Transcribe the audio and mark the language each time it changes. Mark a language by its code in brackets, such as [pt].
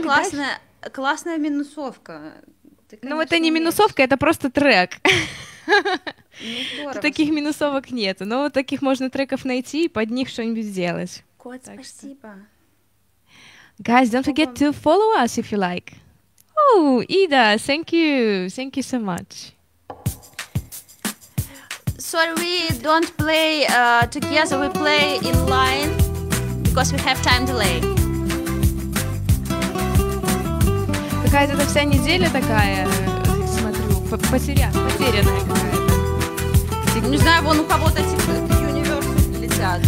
[ru] какая классная минусовка. Ну это не минусовка, это просто трек. Таких минусовок нету, но вот таких можно треков найти и под них что-нибудь сделать. Кот, спасибо. [en] Guys, don't forget to follow us if you like. Oh, Ida, thank you so much. Sorry, we don't play together, we play in line because we have time delay. [ru] Какая-то эта вся неделя такая, смотрю, потерянная какая-то. Не знаю, вон у кого-то TikTok Universe летят.